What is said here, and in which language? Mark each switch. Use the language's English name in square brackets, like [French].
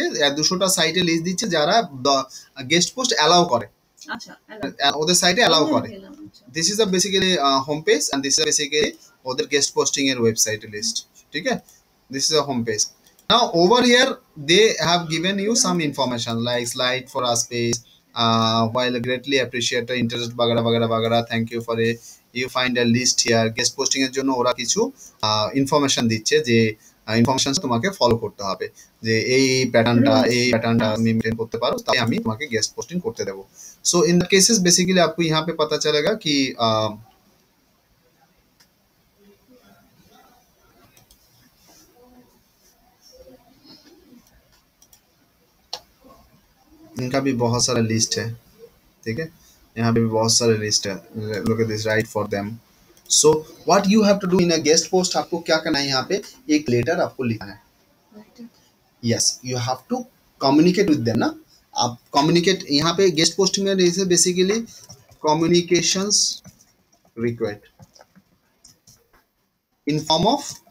[Bangla] You for a [English] you find a list here, [Bangla] guest posting এর জন্য ওরা কিছু ইনফরমেশন দিচ্ছে যে ইনফরমেশন তোমাকে ফলো করতে হবে, যে এই প্যাটার্নটা আমি মেনটেন করতে পারো তাই আমি তোমাকে গেস্ট পোস্টিং করতে দেবো। [Hindi] So in the cases basically আপকো ইয়াহাঁ pay পাতা চলেগা কি ইনকা ভি বহুত সারা লিস্ট হ্যায়, ঠিক হ্যায়, यहाँ पे भी बहुत सारे लिस्ट है, [English] Look at this write for them. So what you have to do in a guest post, [Hindi] आपको क्या करना है, यहाँ पे एक लेटर आपको लिखना है, [English] yes you have to communicate with them [Hindi] ना, आप कम्युनिकेट यहाँ पे गेस्ट पोस्ट में जैसे basically communications required in form of